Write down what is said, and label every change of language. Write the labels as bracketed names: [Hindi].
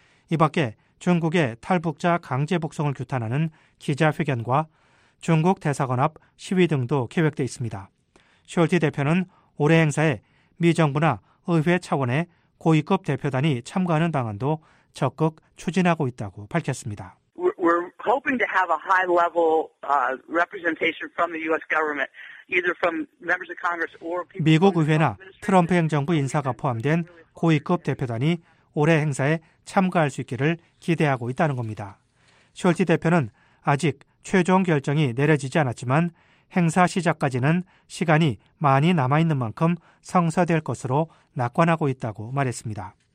[Korean] 이 밖에 중국의 탈북자 강제 북송을 규탄하는 기자회견과 중국 대사관 앞 시위 등도 계획돼 있습니다. 숄티 대표는 올해 행사에 미 정부나 의회 차원의 고위급 대표단이 참가하는 방안도 적극 추진하고 있다고 밝혔습니다. [English] We're hoping to have a high level representation from the US government. [Korean] 미국 의회나 트럼프 행정부 인사가 포함된 고위급 대표단이 올해 행사에 참가할 수 있기를 기대하고 있다는 겁니다. 숄티 대표는 아직 최종 결정이 내려지지 않았지만 행사 시작까지는 시간이 많이 남아있는 만큼 성사될 것으로 낙관하고 있다고 말했습니다.